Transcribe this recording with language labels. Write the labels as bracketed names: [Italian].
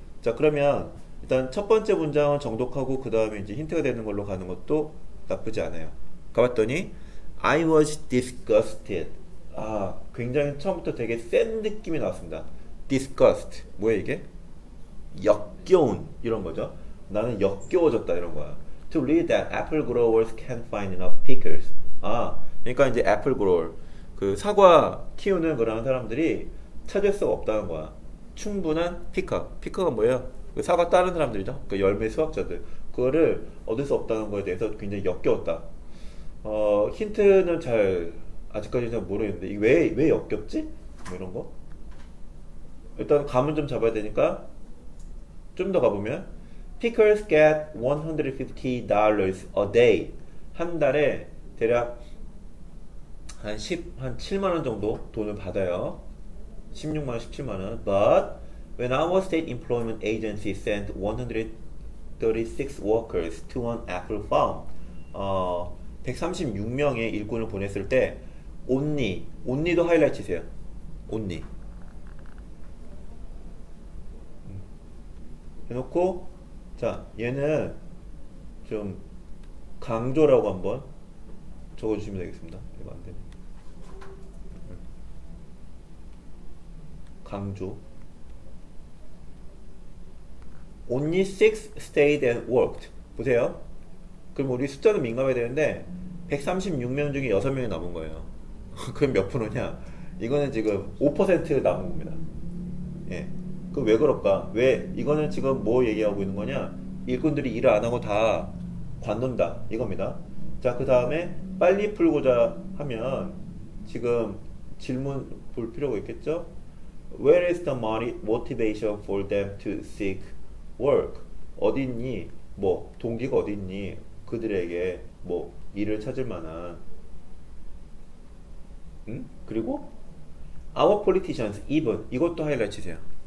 [Korean] 자, 그러면 일단 첫 번째 문장은 정독하고 그 다음에 이제 힌트가 되는 걸로 가는 것도 나쁘지 않아요. 가봤더니 [English] I was disgusted. [Korean] 아, 굉장히 처음부터 되게 센 느낌이 나왔습니다. Disgust, 뭐야 이게? 역겨운, 이런 거죠. 나는 역겨워졌다, 이런 거야. [English] To read that apple growers can't find enough pickers. [Korean] 아, 그러니까 이제 apple grower, 그 사과 키우는 그런 사람들이 찾을 수가 없다는 거야. 충분한 picker. picker가 뭐예요? 그 사과 따는 사람들이죠. 그 열매 수확자들. 그거를 얻을 수 없다는 거에 대해서 굉장히 역겨웠다. 힌트는 잘, 아직까지는 잘 모르겠는데. 왜 역겹지? 뭐 이런 거? 일단 감은 좀 잡아야 되니까. 좀더 가보면, [English] Pickers get $150 a day. [Korean] 한 달에 대략 한 7만 원 정도 돈을 받아요. 16만 원, 17만 원. [English] But when our state employment agency sent 136 workers to an apple farm, [Korean] 136명의 일꾼을 보냈을 때, only도 하이라이트 치세요. [English] only. [Korean] 해놓고, 자, 얘는 좀 강조라고 한번 적어주시면 되겠습니다. 이거 안 되네. 강조. [English] Only six stayed and worked. [Korean] 보세요. 그럼 우리 숫자는 민감해야 되는데, 136명 중에 6명이 남은 거예요. 그럼 몇 프로냐? 이거는 지금 5% 남은 겁니다. 예. 그왜 그럴까? 왜 이거는 지금 뭐 얘기하고 있는 거냐? 일꾼들이 일을 안 하고 다 관둔다, 이겁니다. 자, 그 다음에 빨리 풀고자 하면 지금 질문 볼 필요가 있겠죠? [English] Where is the money motivation for them to seek work? [Korean] 어디 있니? 뭐 동기가 어디 있니? 그들에게 뭐 일을 찾을 만한. 응? 그리고 [English] our politicians even [Korean] 이것도 하이라이트 치세요.